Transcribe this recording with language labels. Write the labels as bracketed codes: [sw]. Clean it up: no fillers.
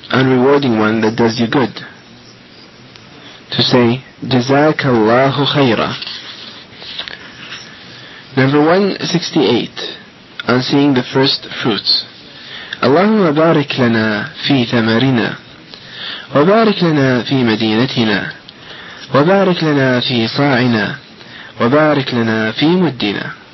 [en] Unrewarding one that does you good. To say [ar] جزاك الله خيرا. [en] Number 168. On seeing the first fruits. [ar] اللهم بارك لنا في ثمرنا. وبارك لنا في مدينتنا. وبارك لنا في صاعنا. وبارك لنا في مدينة.